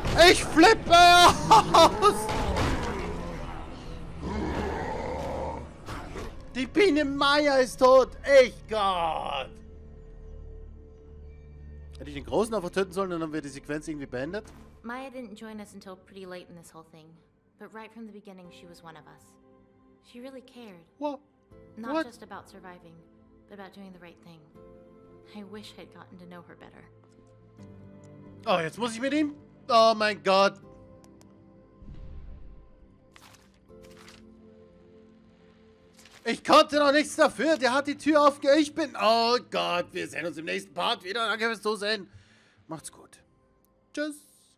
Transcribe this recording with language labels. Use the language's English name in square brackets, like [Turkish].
[German] Ich flippe aus! Die Biene Maya ist tot! Echt Gott! Hätte ich den Großen einfach töten sollen, dann haben wir die Sequenz irgendwie beendet? [English] Maya didn't join us until pretty late in this whole thing. But right from the beginning, she was one of us. She really cared. What? Not what? Just about surviving, but about doing the right thing. I wish I'd gotten to know her better. [German] Oh, jetzt muss ich mit ihm? Oh mein Gott. Ich konnte noch nichts dafür. Der hat die Tür aufgehört. Ich bin... Oh Gott, wir sehen uns im nächsten Part wieder. Danke fürs Zusehen. Macht's gut. Tschüss.